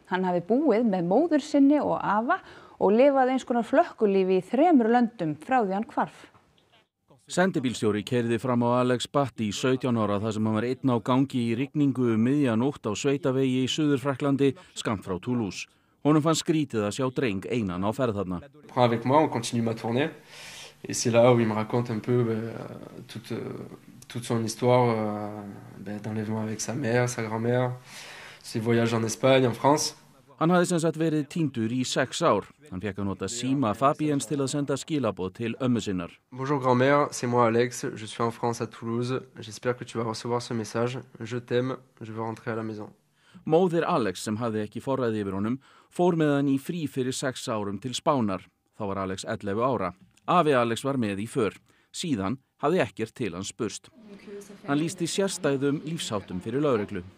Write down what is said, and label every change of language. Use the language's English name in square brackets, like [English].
[Icelandic] Hann hafði búið með móður sinni og afa og lifaði eins konar flökkulífi í þremur löndum frá því hann hvarf. Sendibílstjóri keyrði fram á Alex Batti í 17 ára þar sem hann var einn á gangi í rigningu um miðja nótt á sveitavegi í Suður-Frakklandi skammt frá Toulouse. Honum fannst skrítið að sjá dreng einan á ferð þarna. [French] Prends avec moi, on continue ma tournée. Et c'est là où il me raconte un peu toute son histoire d'enlèvement avec sa mère, sa grand-mère, ses voyages en Espagne, en France. [Icelandic] Hann hafði sem sagt verið týndur í 6 ár. Hann fékk að nota síma Fabiens til að senda skilaboð til ömmu sinnar. [French] Bonjour grand-mère, c'est moi Alex, je suis en France à Toulouse. J'espère que tu vas recevoir ce message. Je t'aime, je veux rentrer à la maison. [Icelandic] Móðir Alex, sem hafði ekki forræði yfir honum, fór með hann í frí fyrir 6 árum til Spánar. Þá var Alex 11 ára. Afi Alex var með í för. Síðan hafði ekkert til hans spurst. Hann lýsti sérstæðum lífsháttum fyrir lögreglu.